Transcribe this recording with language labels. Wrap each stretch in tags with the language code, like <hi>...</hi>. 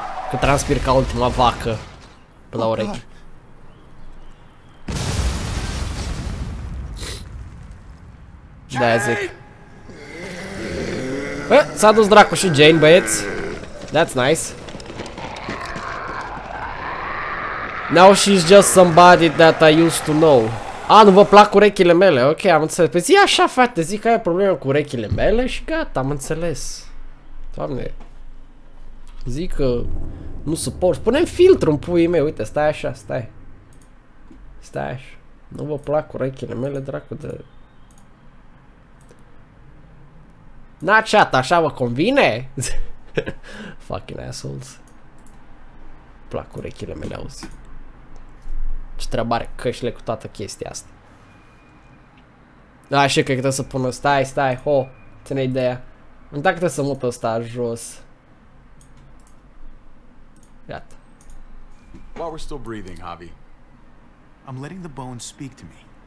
<ro>Că transpir ca ultima vacă pe la urechi. Da, zic. Bă, s-a dus dracu și Jane, băieți.</ro> <en>That's nice. Now she's just somebody that I used to know.</en> <ro>A, nu vă plac urechile mele, ok, am înțeles. Păi zi așa, frate, zic că ai problemă cu urechile mele și gata, am înțeles. Doamne. Zic că nu suport. Pune-mi filtru în puii mei, uite, stai așa, stai. Stai așa. Nu vă plac urechile mele, dracu de... Na, chat, așa vă convine?</ro> <en>Fucking assholes.</en> <ro>Plac urechile mele, auzi. Ce treabă are căștile cu toată chestia asta. Așa că trebuie să pună, stai, stai, ho, ține ideea. Nu dacă trebuie să mut ăsta jos. Gata.</ro> <en>While we're still breathing, Javi, I'm letting the bones speak to me.</en>